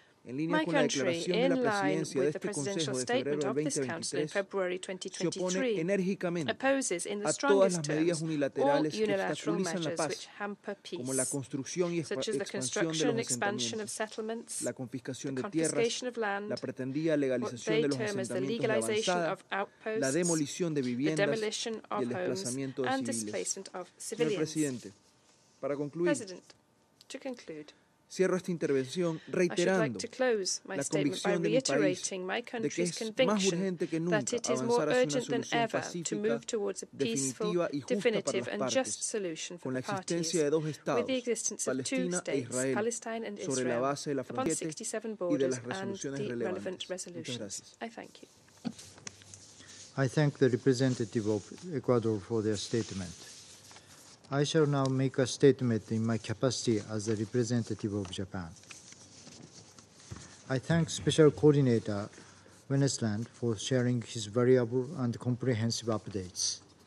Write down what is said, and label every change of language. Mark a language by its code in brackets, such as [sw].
[en] My country, in line with the presidential statement of this Council in February 2023, opposes in the strongest terms all unilateral measures which hamper peace, such as the construction and expansion of settlements, the confiscation of land, what they term as the legalization of outposts, the demolition of homes, and displacement of civilians. President, to conclude, [es] cierro esta intervención reiterando la convicción de mi país de que es más urgente que nunca avanzar hacia una solución pacífica, definitiva y justa para las partes, con la existencia de dos estados, Palestina e Israel, sobre la base de la frontera 67 y de las resoluciones relevantes. Muchas gracias. [en] I thank the representative of Ecuador for their statement. I shall now make a statement in my capacity as a representative of Japan. I thank Special Coordinator Wennesland for sharing his valuable and comprehensive updates.